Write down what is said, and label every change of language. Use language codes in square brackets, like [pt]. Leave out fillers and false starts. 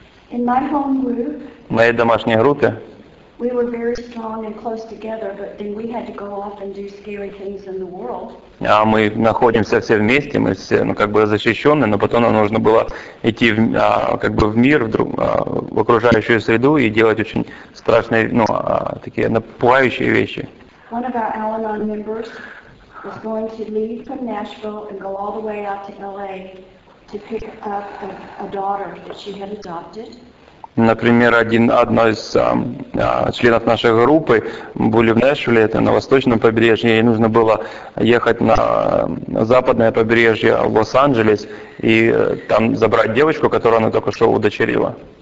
[ru] В моей домашней группе мы находимся все вместе, мы все как бы защищены, но потом нам нужно было идти в мир, в окружающую среду и делать очень страшные, такие напугающие вещи. [en] One of our Al-Anon members was going to leave from Nashville and go all the way out to LA to pick up a daughter that she had adopted. [ru] Например, одна из членов нашей группы были в Нэшвилле, это на восточном побережье, ей нужно было ехать на западное побережье, в Лос-Анджелес, и там забрать девочку, которую она только что удочерила.